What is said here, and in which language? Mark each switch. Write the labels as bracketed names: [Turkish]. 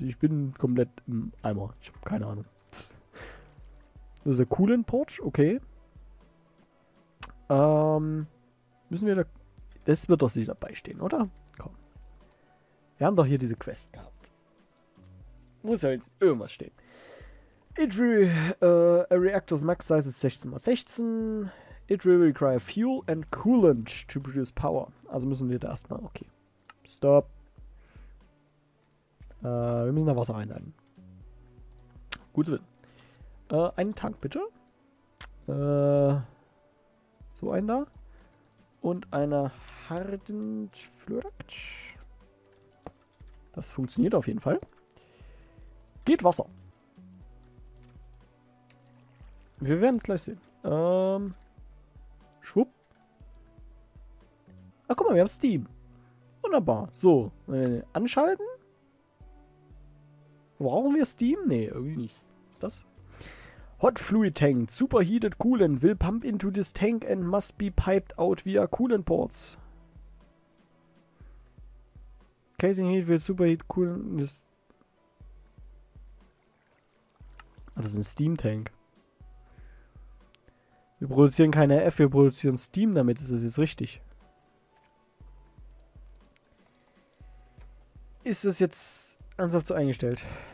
[German] Ich bin komplett im Eimer. Ich habe keine Ahnung. Das ist der Coolant Porch. Okay. Müssen wir da... Das wird doch nicht dabei stehen, oder? Komm. Wir haben doch hier diese Quest gehabt. Muss ja jetzt irgendwas stehen. [English] A reactor's max size is 16x16. It will require fuel and coolant to produce power. [German] Also müssen wir da erstmal... Okay. Stop. Wir müssen da Wasser einladen. Gut zu wissen. Einen Tank, bitte. So einen da. Und eine Hardened Fluoract. Das funktioniert auf jeden Fall. Geht Wasser. Wir werden es gleich sehen. Schwupp. Ach, guck mal, wir haben Steam. Wunderbar. So, anschalten. Brauchen wir Steam? Nee, irgendwie nicht. Was ist das? Hot Fluid Tank. [English] Superheated Coolant. Will pump into this tank and must be piped out via Coolant Ports. Casing Heat will superheat Coolant. [German] Ah, das ist ein Steam Tank. Wir produzieren keine F, wir produzieren Steam damit. Ist das jetzt richtig? Ist das jetzt ernsthaft so eingestellt?